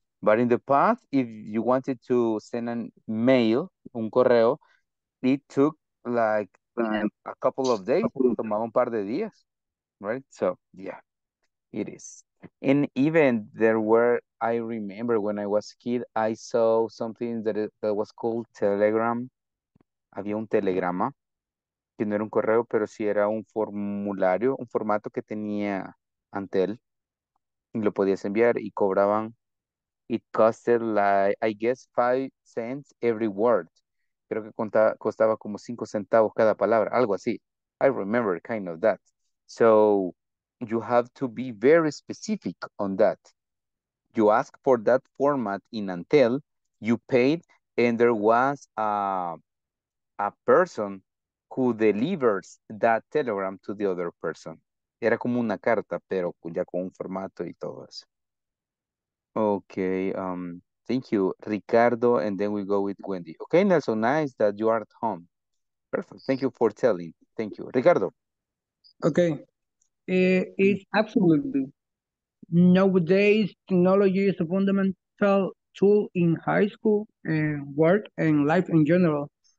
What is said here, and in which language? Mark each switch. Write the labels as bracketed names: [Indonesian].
[English] But in the past, if you wanted to send an mail, [Spanish] un correo, [English] it took like a couple of days, [Spanish] tomaba un par de días, [English] right? So, yeah, it is. And even there were, I remember when I was a kid, I saw something that was called Telegram. [Spanish] Había un telegrama, que no era un correo, pero sí era un formulario, un formato que tenía Antel. Y lo podías enviar y cobraban. [English] It costed like, I guess, 5 cents every word. [Spanish] Creo que costaba como 5 centavos cada palabra, algo así. [English] I remember kind of that. So you have to be very specific on that. You ask for that format in Antel, you paid, and there was a person who delivers that telegram to the other person. [Spanish] Era como una carta, pero ya con un formato y todo eso. [English] Okay, thank you, Ricardo, and then we go with Wendy. Okay, Nelson, nice that you are at home. Perfect, thank you for telling. Thank you, Ricardo. Okay, it's absolutely. Nowadays, technology is a fundamental tool in high school and work and life in general.